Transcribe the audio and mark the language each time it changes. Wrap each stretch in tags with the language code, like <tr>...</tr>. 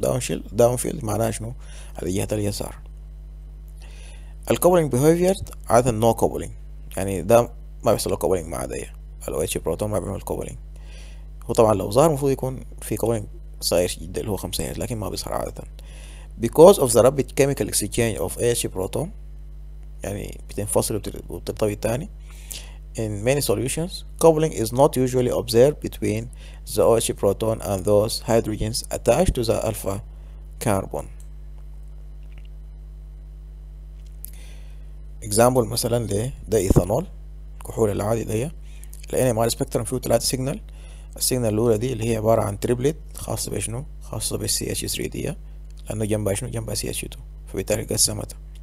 <ar>داون شيلد، داون فيلد معناها شنو؟ على جهة اليسار. الكوبلينج بيهيفير عادة نو كوبلينج، يعني ده ما بيحصل له كوبلينج مع ده ال OH بروتون، ما بيعمل كوبلينج، هو طبعا لو ظهر المفروض يكون في كوبلينج صغير جدا اللي هو 5 هرتز، لكن ما بيظهر عادة.</ar> <en>Because of the rapid chemical exchange of OH proton،</en> <ar>يعني بتنفصل وبترتبط تاني،</ar> <en>in many solutions, coupling is not usually observed between the OH proton and those hydrogens attached to the alpha carbon.</en> <ar>Example مثلا لإيثانول الكحول العادي ديه، لأن مع السبيكترم فيه ثلاث سيجنال. السيجنال الأولى دي اللي هي عبارة عن تريبلت خاصة بشنو؟ خاصة بالسي اتش 3 ديه، لأنه جنبها شنو؟ جنبها سي اتش 2، فبالتالي قسمتها.</ar>